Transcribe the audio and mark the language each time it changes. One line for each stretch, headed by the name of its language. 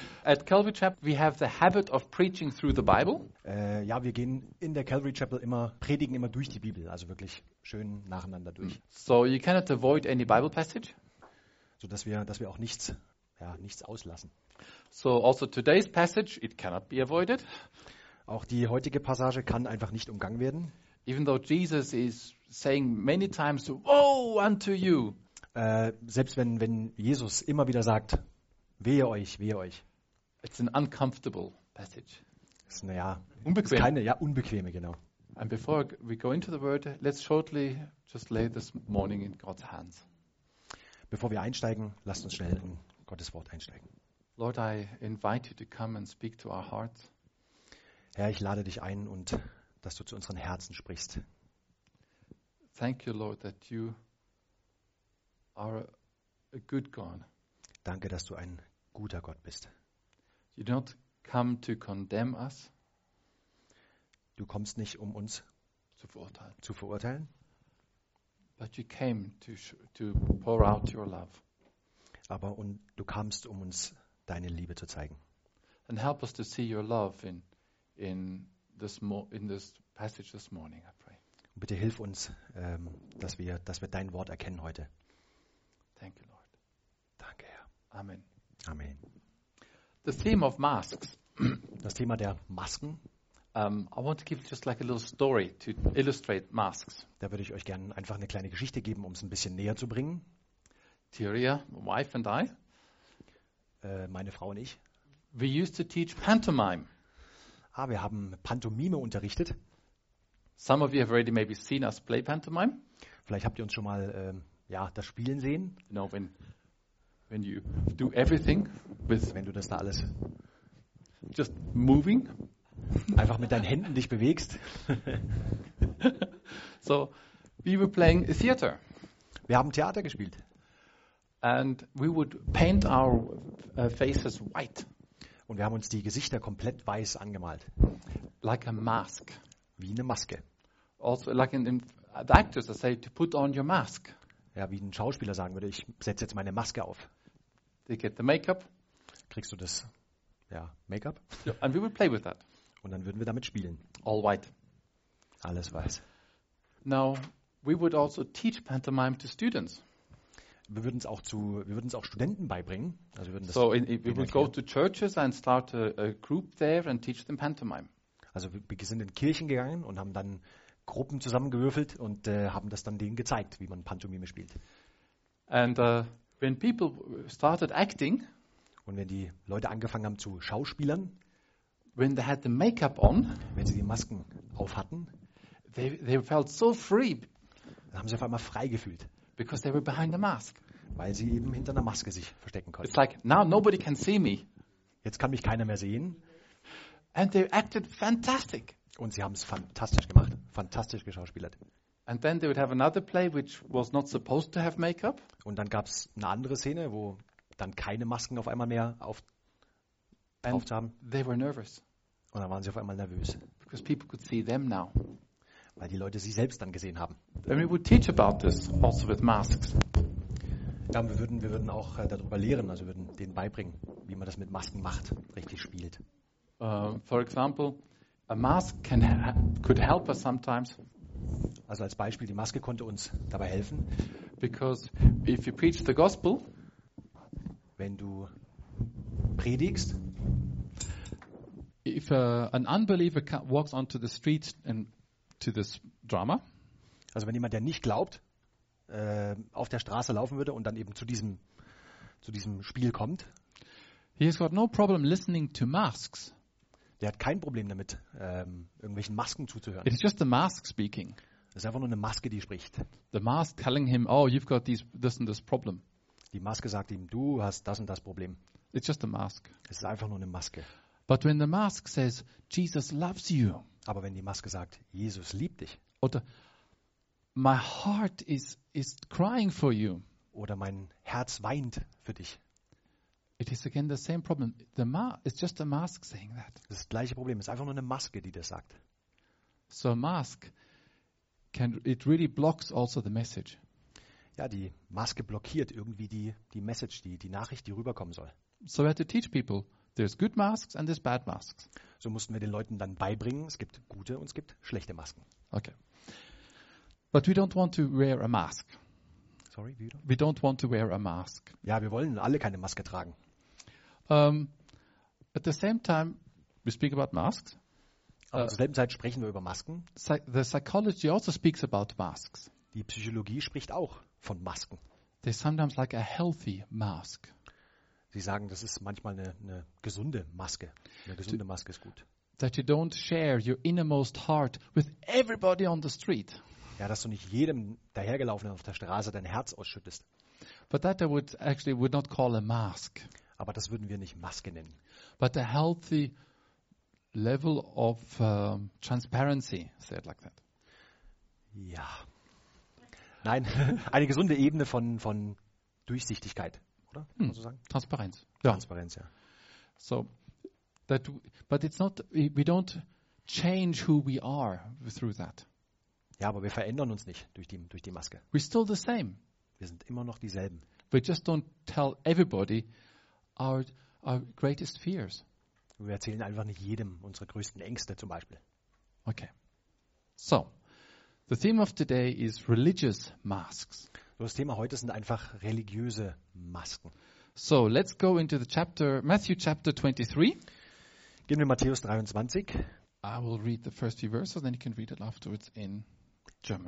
English: At Calvary Chapel, we have the habit of preaching through the Bible.
German: Ja, wir gehen in der Calvary Chapel immer, predigen immer durch die Bibel, also wirklich schön nacheinander durch.
English: So you cannot avoid any Bible passage.
German: So dass wir auch nichts, ja, nichts auslassen.
English: So also today's passage, it cannot be avoided.
German: Auch die heutige Passage kann einfach nicht umgangen werden.
English: Even though Jesus is saying many times, woe unto you.
German: Selbst wenn Jesus immer wieder sagt, wehe euch, wehe euch.
English: It's an uncomfortable passage.
German: Ist, naja, unbequem. Ist keine, ja, unbequeme, genau.
English: And before we go into the word, let's shortly just lay this morning in God's hands.
German: Bevor wir einsteigen, lasst uns schnell in Gottes Wort einsteigen.
English: Lord, I invite you to come and speak to our hearts.
German: Herr, ich lade dich ein und dass du zu unseren Herzen sprichst.
English: Thank you, Lord, that you are a good God.
German: Danke, dass du ein guter Gott bist.
English: You don't come to condemn us.
German: Du kommst nicht, um uns zu verurteilen.
English: But you came to pour out your love.
German: Aber und du kamst, um uns deine Liebe zu zeigen.
English: And help us to see your love in this passage this morning, I pray.
German: Und bitte hilf uns, dass wir dein Wort erkennen heute.
English: Thank you, Lord.
German: Danke, Herr.
English: Amen.
German: Amen.
English: The theme of masks.
German: Das Thema der Masken.
English: I want to give just like a little story to illustrate masks.
German: Da würde ich euch gerne einfach eine kleine Geschichte geben, um es ein bisschen näher zu bringen.
English: Theria, wife and I.
German: Meine Frau und ich.
English: We used to teach pantomime.
German: Ah, wir haben Pantomime unterrichtet.
English: Some of you have already maybe seen us play pantomime.
German: Vielleicht habt ihr uns schon mal ja, das Spielen sehen.
English: You know, when you do everything with,
German: wenn du das da alles
English: just moving,
German: einfach mit deinen Händen dich bewegst.
English: So, we were playing a theater.
German: Wir haben Theater gespielt.
English: And we would paint our faces white.
German: Und wir haben uns die Gesichter komplett weiß angemalt.
English: Like a mask.
German: Wie eine Maske.
English: Also like in the actors they say to put on your mask.
German: Ja, wie ein Schauspieler sagen würde, ich setze jetzt meine Maske auf.
English: They get the makeup.
German: Kriegst du das, ja, Make-up?
English: Yeah, and we would play with that.
German: Und dann würden wir damit spielen.
English: All white.
German: Alles weiß.
English: Now we would also teach pantomime to students.
German: Wir würden es auch Studenten beibringen. Also wir würden das
English: so we would go to churches and start a group there and teach them pantomime.
German: Also wir sind in Kirchen gegangen und haben dann Gruppen zusammengewürfelt und haben das dann denen gezeigt, wie man Pantomime spielt.
English: And when people started acting,
German: und wenn die Leute angefangen haben zu schauspielern,
English: when they had the makeup on,
German: wenn sie die Masken auf hatten,
English: they felt so free.
German: Dann haben sie auf einmal frei gefühlt.
English: Because they were behind the mask.
German: Weil sie eben hinter einer Maske sich verstecken konnten.
English: It's like, now nobody can see me.
German: Jetzt kann mich keiner mehr sehen.
English: And they acted fantastic.
German: Und sie haben es fantastisch gemacht, fantastisch geschauspielert.
English: And then they would have another play which was not supposed to have makeup.
German: Und dann gab es eine andere Szene, wo dann keine Masken auf einmal mehr drauf haben.
English: They were nervous.
German: Und dann waren sie auf einmal nervös.
English: Because people could see them now.
German: Weil die Leute sie selbst dann gesehen haben.
English: And we would teach about this also with masks.
German: Ja, wir würden auch darüber lehren, also würden denen beibringen, wie man das mit Masken macht, richtig spielt.
English: For example, a mask can could help us sometimes.
German: Also als Beispiel, die Maske konnte uns dabei helfen.
English: Because if you preach the gospel,
German: wenn du predigst,
English: if an unbeliever walks onto the street and to this drama.
German: Also wenn jemand, der nicht glaubt, auf der Straße laufen würde und dann eben zu diesem Spiel kommt.
English: He has got no problem listening to masks.
German: Der hat kein Problem damit, irgendwelchen Masken zuzuhören.
English: It is just the mask speaking.
German: Es ist einfach nur eine Maske, die spricht.
English: The mask telling him, oh, you've got this and this problem.
German: Die Maske sagt ihm, du hast das und das Problem.
English: It's just a mask.
German: Es ist einfach nur eine Maske.
English: But when the mask says, Jesus loves you.
German: Aber wenn die Maske sagt, Jesus liebt dich. Oder
English: my heart is crying for you.
German: Oder mein Herz weint für dich.
English: It is again the same problem. It's just a mask saying that.
German: Das ist das gleiche Problem. Es ist einfach nur eine Maske, die das sagt.
English: So a mask it really blocks also the message.
German: Ja, die Maske blockiert irgendwie die Message, die Nachricht, die rüberkommen soll.
English: So we had to teach people, there's good masks and there's bad masks.
German: So mussten wir den Leuten dann beibringen, es gibt gute und es gibt schlechte Masken.
English: Okay. But we don't want to wear a mask. Sorry, we don't want to wear a mask.
German: Ja, wir wollen alle keine Maske tragen.
English: At the same time, we speak about masks.
German: Aber zur selben Zeit sprechen wir über Masken.
English: The psychology also speaks about masks.
German: Die Psychologie spricht auch von Masken.
English: They sometimes like a healthy mask.
German: Sie sagen, das ist manchmal eine gesunde Maske. Eine gesunde Maske ist gut.
English: That you don't share your innermost heart with everybody on the street.
German: Ja, dass du nicht jedem dahergelaufenen auf der Straße dein Herz ausschüttest.
English: But that I would actually would not call a mask.
German: Aber das würden wir nicht Maske nennen.
English: But a healthy level of transparency, say it like that.
German: Ja. Nein, eine gesunde Ebene von Durchsichtigkeit, oder? Kann man so sagen? Transparenz. Transparenz, ja.
English: So, that but it's not, we don't change who we are through that.
German: Ja, aber wir verändern uns nicht durch die Maske.
English: We're still the same.
German: Wir sind immer noch dieselben.
English: We just don't tell everybody our greatest fears.
German: Wir erzählen einfach nicht jedem unsere größten Ängste zum Beispiel.
English: Okay. So, the theme of today is religious masks.
German: Das Thema heute sind einfach religiöse Masken.
English: So, let's go into the chapter, Matthew chapter 23.
German: Gehen wir Matthäus 23.
English: I will read the first few verses, then you can read it afterwards in German.